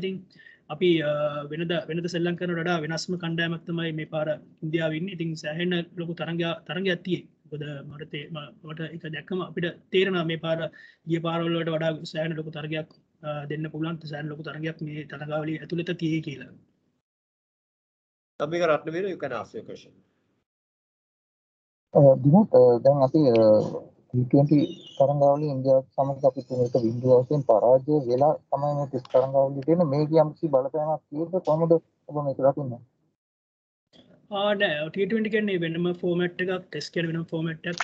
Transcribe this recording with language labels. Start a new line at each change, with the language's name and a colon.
Sinhala: ඉතින් අපි වෙනද සෙල්ලම් කරන වඩා වෙනස්ම කණ්ඩායමක් තමයි මේ පාර ඉන්දියාවේ ඉන්නේ. ඉතින් සෑහෙන ලොකු තරංගයක් තියෙයි. මොකද මට එක දැක්කම අපිට තේරෙනවා මේ පාර ගිය පාරවල වලට වඩා සෑහෙන ලොකු තරගයක් දෙන්න පුළුවන්, සෑහෙන ලොකු තරගයක් මේ තරගාවලිය ඇතුළත තියෙයි කියලා.
English: තමයි Ratnaweera, you can ask your question.
Sinhala: Dimuth, දැන් අපි T20 තරගාවලිය ඉන්දියාව සමග අපි තුන එක බිංදුවකින් පරාජය වෙලා තමයි මේ ටෙස්ට් තරගාවලිය තියෙන්නේ. මේ කියම්සි බලපෑමක් තියෙද කොහොමද ඔබ මේක දකින්නේ? නෑ, T20 කියන්නේ වෙනම ෆෝමැට් එකක්, ටෙස්ට් කියන වෙනම ෆෝමැට් එකක්.